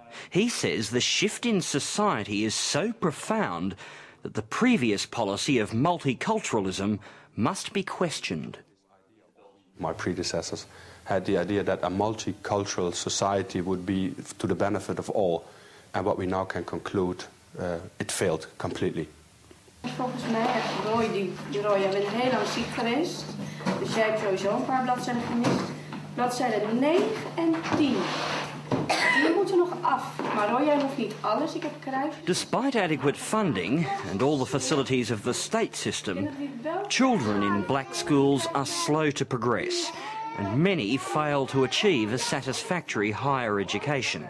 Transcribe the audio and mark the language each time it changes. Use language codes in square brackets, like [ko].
[en] He says the shift in society is so profound that the previous policy of multiculturalism must be questioned. My predecessors had the idea that a multicultural society would be to the benefit of all, and what we now can conclude, it failed completely. [nl] Volgens mij, Roy, jij bent heel lang ziek geweest, dus jij hebt sowieso een paar bladzijden gemist. Bladzijden 9 en 10. Die moeten nog af, maar Roy, jij hoeft niet alles. Ik heb kruisjes. [en] Despite adequate funding and all the facilities of the state system, children in black schools are slow to progress, and many fail to achieve a satisfactory higher education.